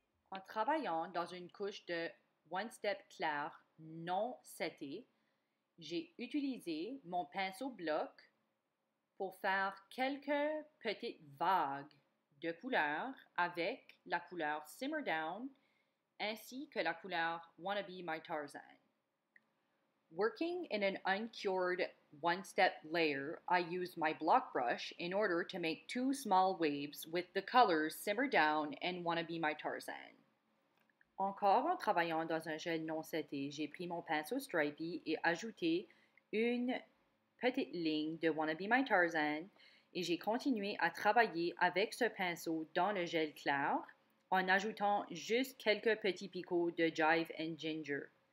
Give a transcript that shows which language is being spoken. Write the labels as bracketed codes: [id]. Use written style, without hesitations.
[fr] En travaillant dans une couche de One Step clair non setté, j'ai utilisé mon pinceau bloc pour faire quelques petites vagues de couleurs avec la couleur Simmer Down ainsi que la couleur Wannabe My Tarzan. [en] Working in an uncured one-step layer, I use my block brush in order to make two small waves with the colors Simmer Down and Wanna Be My Tarzan. [fr] Encore en travaillant dans un gel non seté, j'ai pris mon pinceau stripey et ajouté une petite ligne de Wanna Be My Tarzan et j'ai continué à travailler avec ce pinceau dans le gel clair en ajoutant juste quelques petits picots de Jive and Ginger.